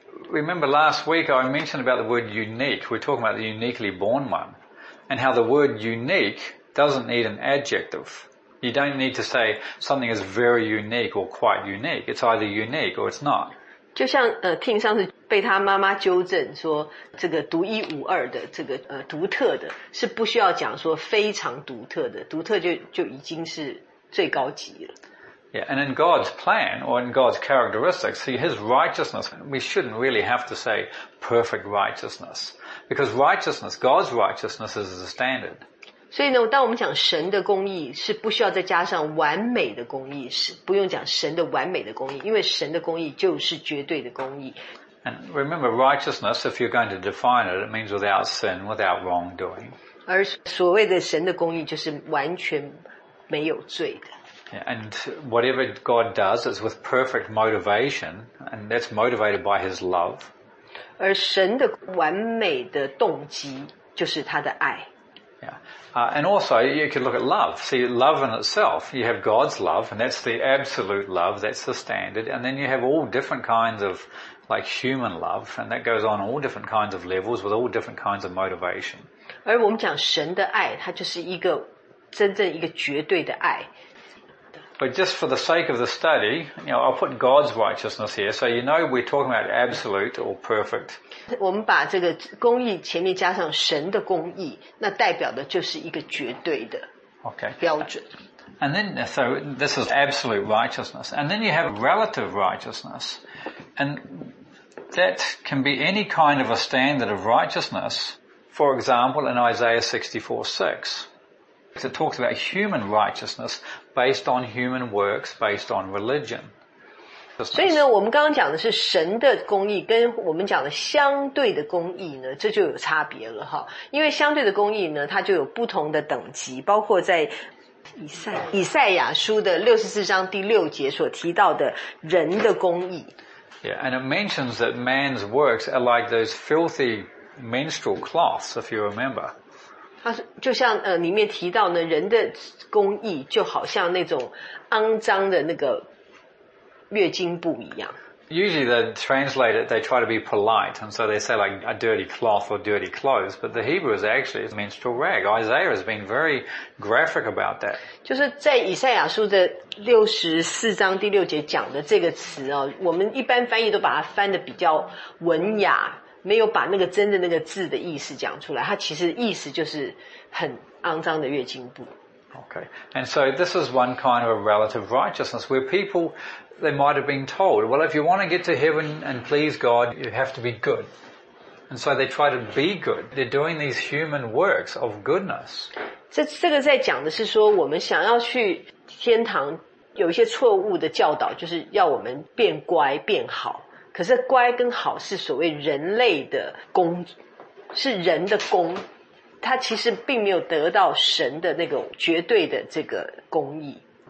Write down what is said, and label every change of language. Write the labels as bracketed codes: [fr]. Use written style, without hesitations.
[en] Remember last week I mentioned about the word unique. We're talking about the uniquely born one, and how the word unique doesn't need an adjective. You don't need to say something is very unique or quite unique. It's either unique or it's not. [zh] 就像King 上次被他妈妈纠正说，这个独一无二的，这个独特的，是不需要讲说非常独特的，独特就已经是最高级了。 [en] Yeah, and in God's plan, or in God's characteristics, see, His righteousness, we shouldn't really have to say perfect righteousness. Because righteousness, God's righteousness is the standard. [zh] 所以呢，当我们讲神的公义，是不需要再加上完美的公义，是不用讲神的完美的公义，因为神的公义就是绝对的公义。 [en] And remember, righteousness, if you're going to define it, it means without sin, without wrongdoing. [zh] 而所谓的神的公义，就是完全没有罪的。 [en] And whatever God does is with perfect motivation, and that's motivated by His love. [zh] 而神的完美的动机就是他的爱。 [en] Yeah. And also, you could look at love. See, love in itself, you have God's love, and that's the absolute love, that's the standard. And then you have all different kinds of, like, human love, and that goes on all different kinds of levels with all different kinds of motivation. [zh] 而我们讲神的爱，它就是一个真正一个绝对的爱。 [en] But just for the sake of the study, you know, I'll put God's righteousness here, so you know we're talking about absolute or perfect. [zh] 我们把这个公义前面加上神的公义，那代表的就是一个绝对的标准。 [en] Okay. And then, so this is absolute righteousness. And then you have relative righteousness. And that can be any kind of a standard of righteousness. For example, in Isaiah 64:6. It talks about human righteousness based on human works, based on religion. [zh] 所以呢，我们刚刚讲的是神的公义，跟我们讲的相对的公义呢，这就有差别了哈。因为相对的公义呢，它就有不同的等级，包括在以赛亚书的64章第6节所提到的人的公义。 [en] Yeah, and it mentions that man's works are like those filthy menstrual cloths, if you remember. [zh] 他就像里面提到呢，人的公义就好像那种肮脏的那个月经布一样。 [en] Usually they translate it, they try to be polite, and so they say like a dirty cloth or dirty clothes, but the Hebrew is actually a menstrual rag. Isaiah has been very graphic about that. [zh] 就是在以赛亚书的64章第6节讲的这个词哦，我们一般翻译都把它翻得比较文雅。没有把那个真的那个字的意思讲出来，它其实意思就是很肮脏的月经布。 [en] Okay, and so this is one kind of a relative righteousness where people, they might have been told, well, if you want to get to heaven and please God, you have to be good. And so they try to be good. They're doing these human works of goodness. [zh] 这个在讲的是说，我们想要去天堂，有一些错误的教导，就是要我们变乖变好。可是乖跟好是所谓人类的功，是人的功，他其实并没有得到神的那个绝对的这个公义。